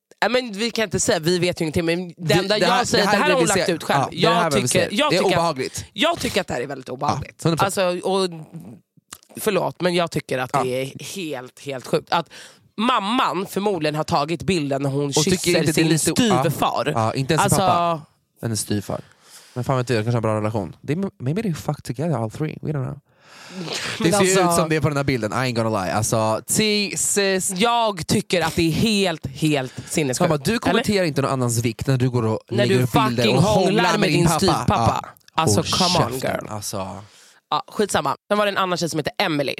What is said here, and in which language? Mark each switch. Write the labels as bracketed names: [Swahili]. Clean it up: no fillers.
[Swedish] Men vi kan inte säga, vi vet ju ingenting. Men det enda jag säger, det här har hon lagt ut själv. Det är obehagligt. Jag tycker att det här är väldigt obehagligt. Alltså, och, förlåt, men jag tycker att det är helt sjukt. Att mamman förmodligen har tagit bilden när hon kysser sin styvfar. Inte ens alltså, pappa, en styvfar. Men fan vet du, det kanske har en bra relation. [English] Maybe they fuck together all three, we don't know. [Swedish] Det ser ut som det på den här bilden, [English] I ain't gonna lie. [Swedish] Alltså, Jesus. Jag tycker att det är helt sinnessjukt. Du kommenterar eller? Inte någon annans vikt när du går och när lägger du fucking hånglar med din styvpappa. Alltså, [English] come [Swedish] käften, [English] on girl. [Swedish] Alltså. Ja, skitsamma. Sen var det en annan tjej som heter Emily.